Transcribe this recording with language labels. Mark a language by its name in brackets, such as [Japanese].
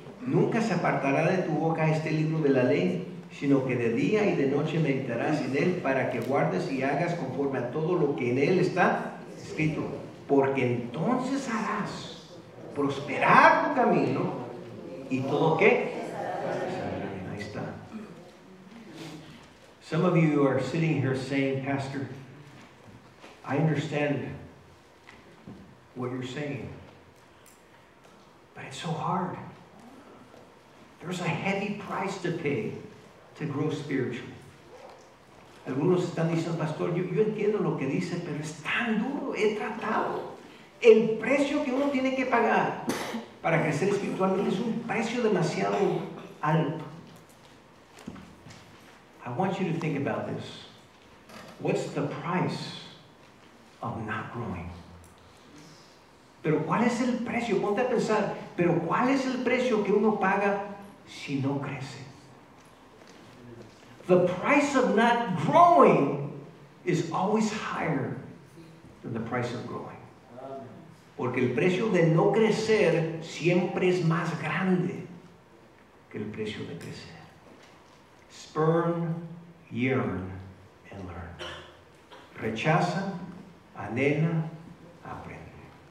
[Spanish] Nunca se apartará de tu boca este libro de la ley, sino que de día y de noche meditarás en él para que guardes y hagas conforme a todo lo que en él está escrito. Porque entonces harás prosperar tu camino y todo qué. Ahí está. [English] Some of you are sitting here saying, Pastor, I understand what you're saying, but it's so hard. There's a heavy price to pay to grow spiritually. [Spanish] Algunos están diciendo, Pastor, yo entiendo lo que dice, pero es tan duro, he tratado. El precio que uno tiene que pagar para crecer espiritualmente es un precio demasiado alto. [English] I want you to think about this. What's the price of not growing? [Spanish] Pero ¿cuál es el precio? Ponte a pensar, pero ¿cuál es el precio que uno paga si no crece? [English] The price of not growing is always higher than the price of growing. [Spanish] Porque el precio de no crecer siempre es más grande que el precio de crecer. [English] Spurn, yearn, and learn. [Spanish] Rechaza, anhela, aprende.